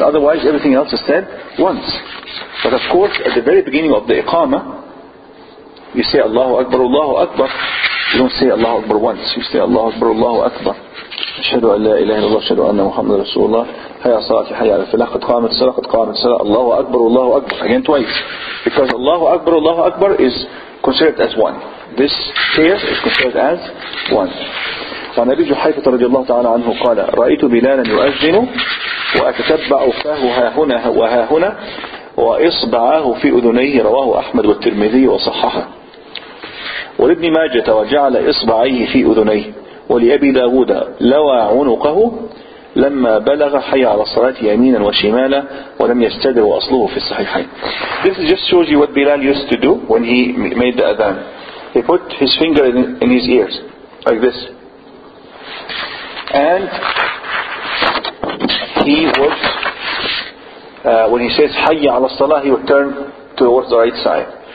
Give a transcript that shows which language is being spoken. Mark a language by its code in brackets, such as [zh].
[en] Otherwise, everything else is said once. But of course, at the very beginning of the Iqama, you say Allahu Akbar, Allahu Akbar. You don't say Allahu Akbar once. You say Allahu Akbar, Allahu Akbar. [ar] أشهد أن لا إله إلا الله أشهد أن محمد رسول الله حي على الصلاة حي على الفلاح قد قامت الصلاة الله أكبر الله أكبر [en] again twice, because [ar] الله أكبر الله أكبر [en] is considered as one. This here is considered as one. [ar] وعن أبي جحيفة رضي الله تعالى عنه قال رأيت بلالا يؤذن وأتتبع فاه هاهنا وهاهنا وإصبعه في أذنيه رواه أحمد والترمذي وصححه ولابن ماجة وجعل إصبعيه في أذنيه ولأبي داود لوى عنقه لما بلغ حي على الصلاة يمينا وشمالا ولم يستدر وأصله في الصحيحين. [en] This just shows you what Bilal used to do when he made the Adhan. He put his finger in his ears like this, and he would when he says [ar] حي على الصلاة [en] he would turn towards the right side.